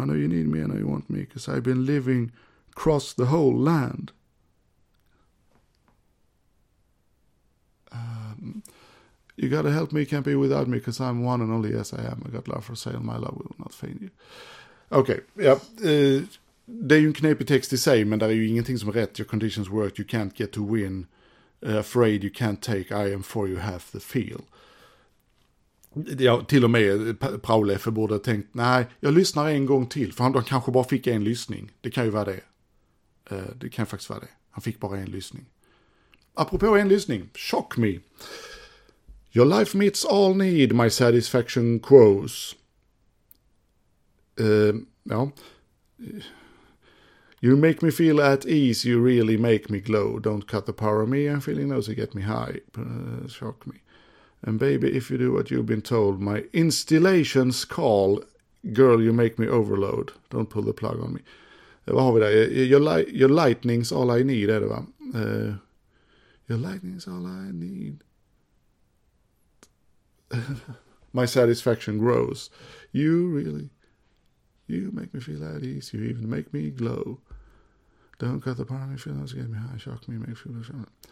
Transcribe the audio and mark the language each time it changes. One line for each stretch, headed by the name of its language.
English: I know you need me, I know you want me. Because I've been living across the whole land. You gotta help me, can't be without me, because I'm one and only, yes I am. I got love for sale, my love will not fail you.
Swedish: Okej, ja. Det är ju en knepig text i sig, men det är ju ingenting som är rätt.
English: Your conditions worked, you can't get to win. Afraid you can't take, I am for you half the feel.
Swedish: Ja, till och med Prauleffe borde ha tänkt, nej, jag lyssnar en gång till, för han då kanske bara fick en lyssning. Det kan ju vara det. Det kan faktiskt vara det. Han fick bara en lyssning. Apropå en lyssning,
English: shock me. Your life meets all need, my satisfaction quos.
Swedish: Ja.
English: You make me feel at ease, you really make me glow. Don't cut the power of me, I'm feeling those who get me high. Shock me. And baby, if you do what you've been told, my installations call. Girl, you make me overload. Don't pull the plug on me.
Swedish: Vad har vi där?
English: Your lightning's all I need,
Swedish: är det va?
English: Your lightning's all I need. My satisfaction grows. You really, you make me feel at ease. You even make me glow. Don't cut the part of me feelings, get me high, shock me, make me feel.